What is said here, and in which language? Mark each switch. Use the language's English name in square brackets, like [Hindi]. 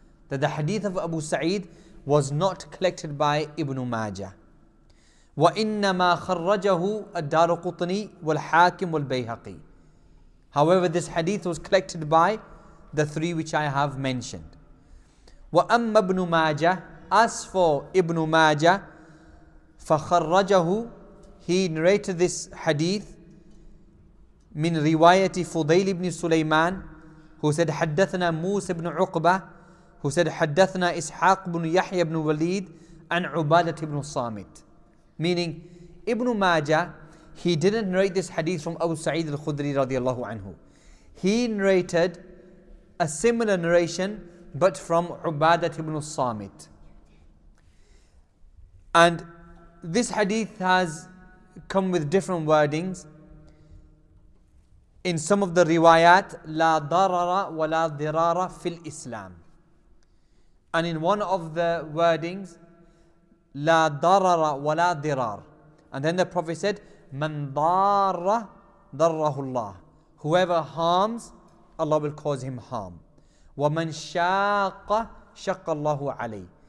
[English] that the hadith of Abu Sa'id was not collected by Ibn Majah. [Arabic] وَإِنَّمَا خَرَّجَهُ الدَّارُقُطْنِي وَالْحَاكِمُ وَالْبَيْهَقِي. [English] However, this hadith was collected by the three which I have mentioned. [Arabic] وَأَمَّا ابْنُ مَاجَهُ. [English] As for Ibn Majah, [Arabic] فَخَرَّجَهُ, [English] he narrated this hadith [Arabic] من رواية فضيل بن سليمان, [English] who said [Arabic] حدثنا موسى بن عقبة, who said حدثنا إسحاق بن يحيى بن وليد عن عبادة بن الصامت. [English] Meaning, Ibn Majah, he didn't narrate this hadith from Abu Sa'id al-Khudri radiallahu anhu. He narrated a similar narration, but from Ubadat ibn al-Samit. And this hadith has come with different wordings. In some of the riwayat, [Arabic] لا ضرر ولا ضرار في الإسلام. [English] And in one of the wordings, [Arabic] لا ضرر ولا ضرار. [English] And then the Prophet said, [Arabic] من ضار ضره الله. [English] Whoever harms, Allah will cause him harm. [Arabic] ومن شاق شق الله عليه.